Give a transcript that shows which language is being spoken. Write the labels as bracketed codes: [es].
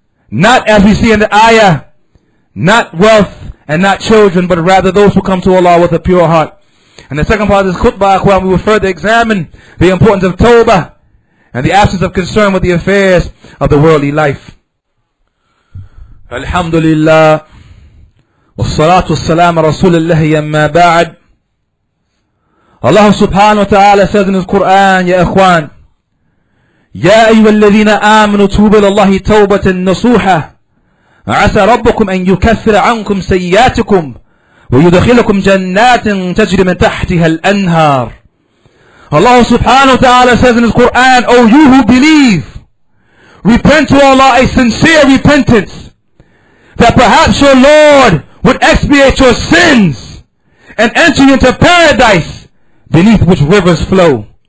[en] Not as we see in the ayah, not wealth and not children, but rather those who come to Allah with a pure heart. And the second part of this khutbah, ikhwan, we will further examine the importance of tawbah and the absence of concern with the affairs of the worldly life. Alhamdulillah. [ar] والصلاة والسلام رسول الله يما بعد. الله سبحانه وتعالى [en] says in the Quran, [ar] يا إخوان, يا أيها الذين آمنوا توبوا إلى الله توبة نصوحة عسى ربكم أن يكفر عنكم سيئاتكم ويدخلكم جنات تجري من تحتها الأنهار. [en] Allah subhanahu wa ta'ala says in his Quran, O you who believe, repent to Allah a sincere repentance, that perhaps your Lord would expiate your sins and enter into paradise beneath which rivers flow.